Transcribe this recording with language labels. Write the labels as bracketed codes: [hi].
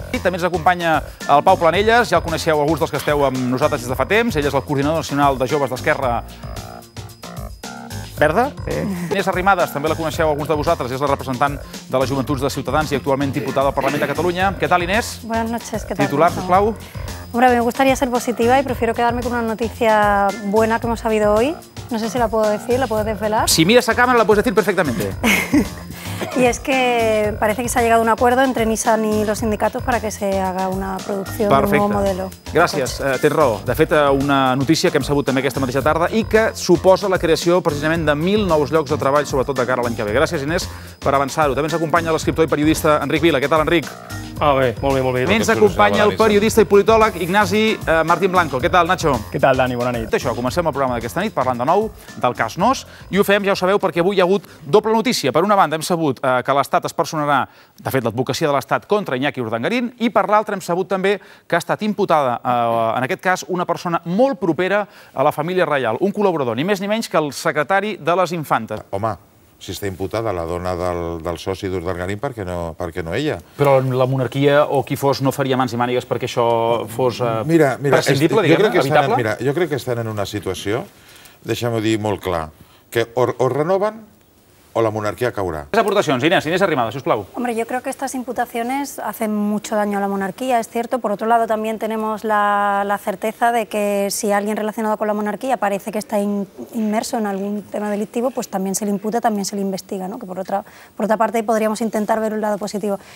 [ca] També ens acompanya el Pau Planelles, ja el coneixeu alguns dels que esteu amb nosaltres des de fa temps. Ell és el coordinador nacional de joves d'Esquerra Verda. Inés Arrimadas, també la coneixeu alguns de vosaltres, és la representant de les joventuts de Ciutadans i actualment diputada al Parlament de Catalunya. Què tal, Inés? [es] Buenas noches, ¿qué tal? [ca] Titular, sisplau. [es] Hombre, me gustaría ser positiva y prefiero quedarme con una noticia buena que hemos sabido hoy. No sé si la puedo decir, la puedo desvelar. Si miras a cámara la puedes decir perfectamente. Y es que parece que se ha llegado a un acuerdo entre Nissan y los sindicatos para que se haga una producción de un nuevo modelo. [ca] Gràcies, tens raó. De fet, una notícia que hem sabut també aquesta mateixa tarda i que suposa la creació precisament de 1.000 nous llocs de treball, sobretot de cara a l'any que ve. Gràcies, Inés, per avançar-ho. També ens acompanya l'escriptor i periodista Enric Vila. Què tal, Enric? Ah, bé, molt bé, molt bé. Ens acompanya el periodista i politòleg Ignasi Martín Blanco. Què tal, Nacho? Què tal, Dani? Bona nit. Això, comencem el programa d'aquesta nit parlant de nou del cas Nós. I ho fem, ja ho sabeu, perquè avui hi ha hagut doble notícia. Per una banda, hem sabut que l'Estat es personarà, de fet, l'advocacia de l'Estat contra Iñaki Urdangarín, i per l'altra hem sabut també que ha estat imputada, en aquest cas, una persona molt propera a la família reial, un col·laborador, ni més ni menys que el secretari de les Infantes. Home, si està imputada la dona del soci d'Urdangarín, per què no ella? Però la monarquia o qui fos no faria mans i mànigues perquè això fos prescindible, evitable? Jo crec que estan en una situació, deixem-ho dir molt clar, que o renoven o la monarquia caurà. Les aportacions, Inés, Inés Arrimadas, sisplau. [es] Hombre, yo creo que estas imputaciones hacen mucho daño a la monarquía, es cierto. Por otro lado, también tenemos la certeza de que si alguien relacionado con la monarquía parece que está inmerso en algún tema delictivo, pues también se le imputa, también se le investiga, ¿no? Que por otra parte podríamos intentar ver un lado positivo.